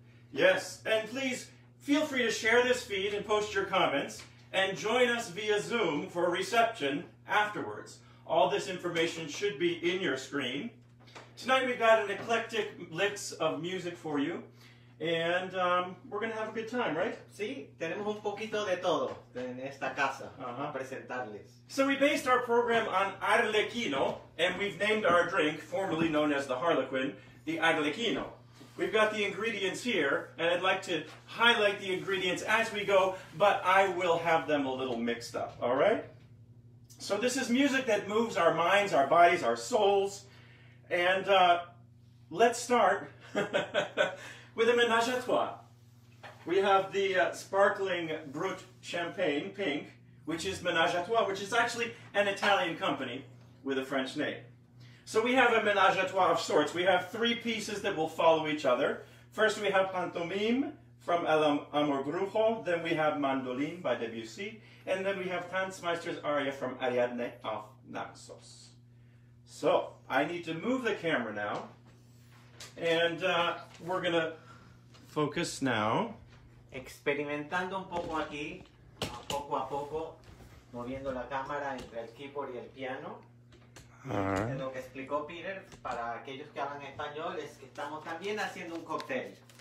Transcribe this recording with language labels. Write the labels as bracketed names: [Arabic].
[English] Yes, and please feel free to share this feed and post your comments and join us via Zoom for a reception afterwards. All this information should be in your screen. Tonight we've got an eclectic mix of music for you. And we're going to have a good time, right? [Spanish] Sí, tenemos un poquito de todo en esta casa para presentarles. [English] So we based our program on Arlecchino, and we've named our drink, formerly known as the Harlequin, the Arlecchino. We've got the ingredients here, and I'd like to highlight the ingredients as we go, but I will have them a little mixed up, all right? So this is music that moves our minds, our bodies, our souls. And let's start. With a ménage à trois, we have the sparkling Brut Champagne Pink, which is ménage à trois, which is actually an Italian company with a French name. So we have a ménage à trois of sorts. We have three pieces that will follow each other. First, we have Pantomime from El Amor Brujo. Then we have Mandoline by Debussy. And then we have Tanzmeister's Aria from Ariadne of Naxos. So I need to move the camera now. And we're going to focus now. [Spanish] Experimentando un poco aquí, poco a poco, moviendo la cámara entre el keyboard y el piano. Lo que explicó Peter, para aquellos que hablan español, es que estamos también haciendo un cóctel.